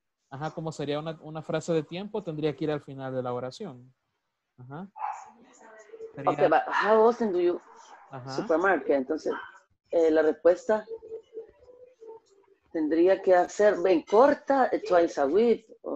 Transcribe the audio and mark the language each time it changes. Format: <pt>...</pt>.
<es>Ajá, como sería una frase de tiempo, tendría que ir al final de la oración. Ajá. Sería,</es> <en>okay, but how often do you ajá. supermarket?</en> <es>Entonces, la respuesta tendría que hacer bien corta,</es> <en>twice a week.</en>